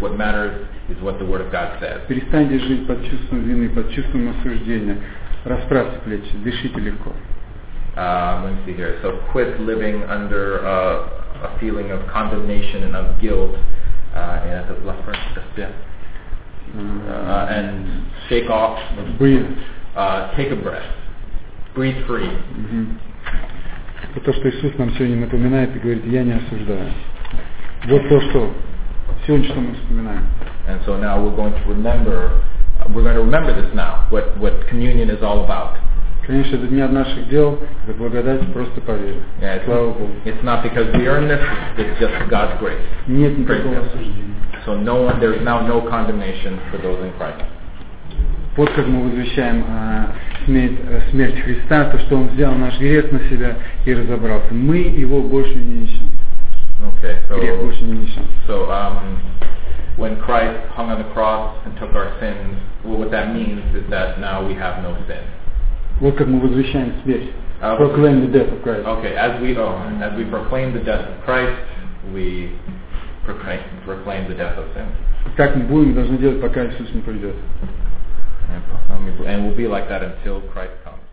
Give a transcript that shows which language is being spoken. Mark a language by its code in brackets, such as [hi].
[en] What matters is what the Word of God says. [ru] Перестаньте жить под чувством вины, под чувством осуждения. Расправьте плечи, дышите легко. [en] Let me see here. So quit living under a feeling of condemnation and of guilt. And shake off. Breathe. Take a breath. Breathe free. Mm-hmm. [ru] Это то, что Иисус нам сегодня напоминает и говорит, я не осуждаю. Вот то, что сегодня что мы вспоминаем. [en] And so now we're going to remember this now, what communion is all about. [ru] Конечно, это не от наших дел, это благодать, просто поверь. [en] Yeah, [ru] слава Богу. [en] It's not because we earn this, it's just God's grace. [ru] Нет никакого осуждения. [en] So no one, there's now no condemnation for those in Christ. [ru] Вот как мы возвещаем смерть Христа, то, что Он взял наш грех на себя и разобрался. Мы его больше не ищем. [en] Okay, so, [ru] грех больше не ищем. [en] So, when Christ hung on the cross and took our sins, well, what that means is that now we have no sin. [ru] Вот как мы возвещаем смерть. [en] Proclaim the death of Christ. Okay, as we proclaim the death of Christ, we proclaim the death of sin. Как мы будем, должны делать, пока Иисус не придет. And we'll be like that until Christ comes.